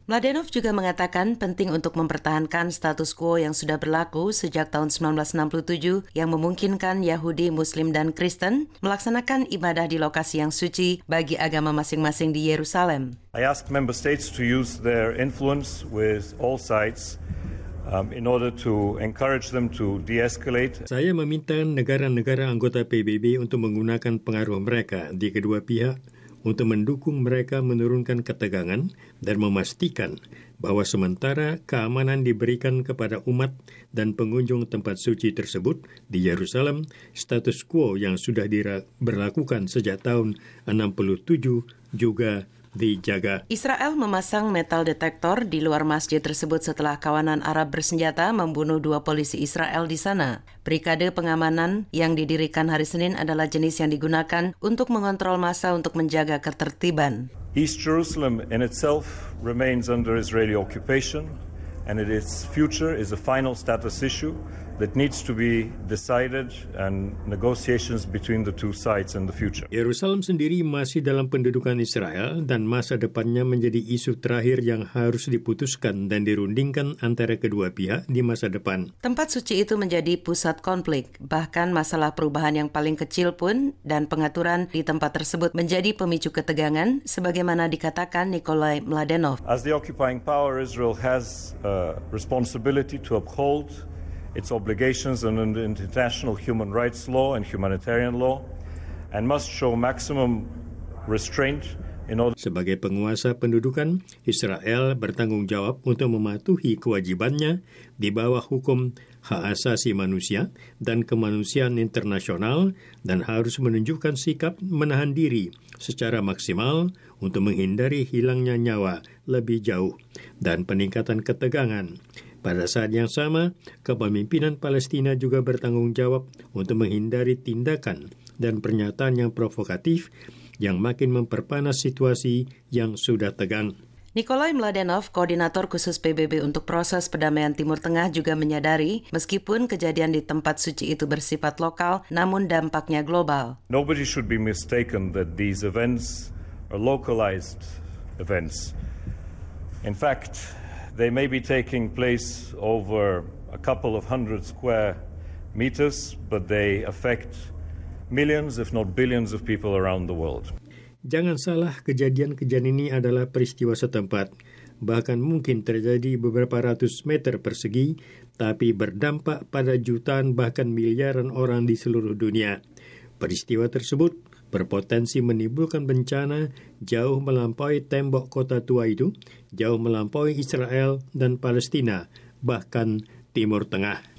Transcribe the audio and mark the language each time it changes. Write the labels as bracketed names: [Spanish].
[Indonesian] Mladenov juga mengatakan penting untuk mempertahankan status quo yang sudah berlaku sejak tahun 1967 yang memungkinkan Yahudi, Muslim, dan Kristen melaksanakan ibadah di lokasi yang suci bagi agama masing-masing di Yerusalem. [English] I ask member states to use their influence with all sides in order to encourage them to de-escalate. [Indonesian] Saya meminta negara-negara anggota PBB untuk menggunakan pengaruh mereka di kedua pihak untuk mendukung mereka menurunkan ketegangan dan memastikan bahwa sementara keamanan diberikan kepada umat dan pengunjung tempat suci tersebut di Yerusalem, status quo yang sudah diberlakukan sejak tahun 67 juga dijaga. Israel memasang metal detektor di luar masjid tersebut setelah kawanan Arab bersenjata membunuh 2 polisi Israel di sana. Brigade pengamanan yang didirikan hari Senin adalah jenis yang digunakan untuk mengontrol massa untuk menjaga ketertiban. [English] East Jerusalem in itself remains under Israeli occupation and its future is a final status issue that needs to be decided and negotiations between the two sides in the future. [Indonesian] Yerusalem sendiri masih dalam pendudukan Israel dan masa depannya menjadi isu terakhir yang harus diputuskan dan dirundingkan antara kedua pihak di masa depan. Tempat suci itu menjadi pusat konflik. Bahkan masalah perubahan yang paling kecil pun dan pengaturan di tempat tersebut menjadi pemicu ketegangan sebagaimana dikatakan Nikolai Mladenov. [English] As the occupying power, Israel has a responsibility to uphold its obligations under international human rights law and humanitarian law, and must show maximum restraint in order. [Indonesian] Sebagai penguasa pendudukan, Israel bertanggung jawab untuk mematuhi kewajibannya di bawah hukum hak asasi manusia dan kemanusiaan internasional dan harus menunjukkan sikap menahan diri secara maksimal untuk menghindari hilangnya nyawa lebih jauh dan peningkatan ketegangan. Pada saat yang sama, kepemimpinan Palestina juga bertanggung jawab untuk menghindari tindakan dan pernyataan yang provokatif yang makin memperpanas situasi yang sudah tegang. Nikolai Mladenov, koordinator khusus PBB untuk proses perdamaian Timur Tengah juga menyadari, meskipun kejadian di tempat suci itu bersifat lokal, namun dampaknya global. [English] Nobody should be mistaken that these events are localized events. In fact, they may be taking place over a couple of hundred square meters, but they affect millions, if not billions, of people around the world. [Indonesian] Jangan salah, kejadian-kejadian ini adalah peristiwa setempat. bahkan mungkin terjadi beberapa ratus meter persegi, tapi berdampak pada jutaan bahkan miliaran orang di seluruh dunia. Peristiwa tersebut berpotensi menimbulkan bencana jauh melampaui tembok kota tua itu, jauh melampaui Israel dan Palestina, bahkan Timur Tengah.